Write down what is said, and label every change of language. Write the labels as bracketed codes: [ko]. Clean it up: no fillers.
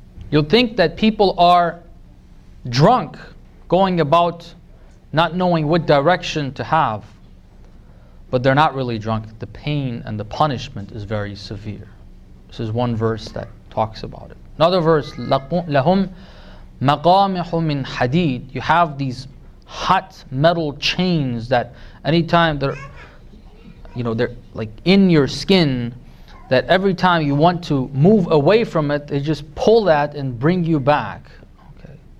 [en] You'll think that people are drunk, going about not knowing what direction to have, but they're not really drunk. The pain and the punishment is very severe. This is one verse that talks about it. Another verse, [ar] لَهُمْ مَقَامِحُ مِنْ حَدِيدٍ. [en] You have these hot metal chains that anytime they're, you know, they're like in your skin, that every time you want to move away from it, they just pull that and bring you back. Okay.